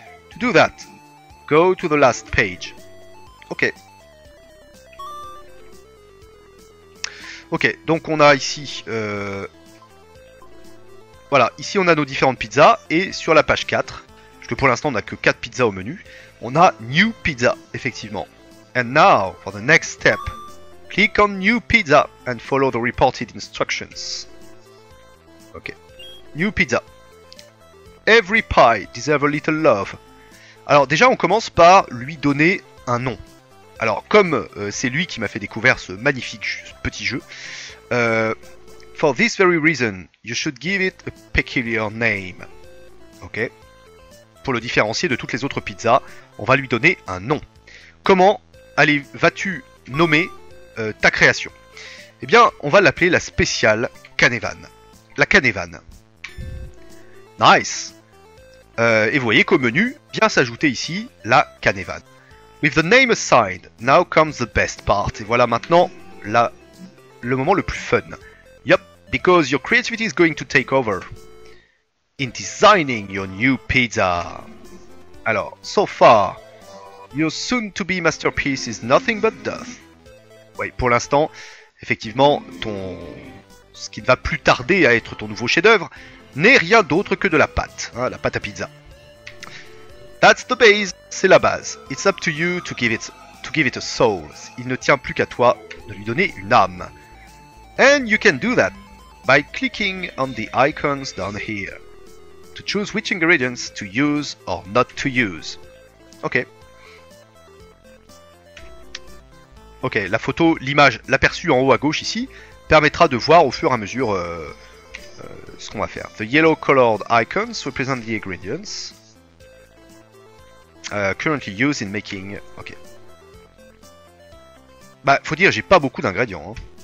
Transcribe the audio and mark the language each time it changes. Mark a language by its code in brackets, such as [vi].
[en] To do that, go to the last page. Ok. [fr] Ok, donc on a ici, voilà, ici on a nos différentes pizzas, et sur la page 4, puisque pour l'instant on n'a que 4 pizzas au menu, on a New Pizza, effectivement. [en] And now, for the next step, click on New Pizza and follow the reported instructions. Ok, New Pizza. Every pie deserves a little love. [fr] Alors déjà on commence par lui donner un nom. Alors, comme c'est lui qui m'a fait découvrir ce magnifique petit jeu, [en] for this very reason, you should give it a peculiar name. [fr] Ok. Pour le différencier de toutes les autres pizzas, on va lui donner un nom. Comment vas-tu nommer ta création? Eh bien, on va l'appeler la spéciale Canevan. la Canevan. Nice. Et vous voyez qu'au menu vient s'ajouter ici la Canevan. [en] With the name aside, now comes the best part. [fr] Et voilà maintenant la, le moment le plus fun. [en] Yup, because your creativity is going to take over in designing your new pizza. Alors, so far, your soon-to-be masterpiece is nothing but dust. [fr] Oui, pour l'instant, effectivement, ton... ce qui ne va plus tarder à être ton nouveau chef-d'œuvre n'est rien d'autre que de la pâte, hein, la pâte à pizza. [en] That's the base, [fr] c'est la base. [en] It's up to you to give it a soul. [fr] Il ne tient plus qu'à toi de lui donner une âme. [en] And you can do that by clicking on the icons down here to choose which ingredients to use or not to use. Ok. [fr] Ok, la photo, l'image, l'aperçu en haut à gauche ici permettra de voir au fur et à mesure ce qu'on va faire. [en] The yellow colored icons represent the ingredients currently used in making. Ok. [fr] Bah, faut dire, j'ai pas beaucoup d'ingrédients. Hein.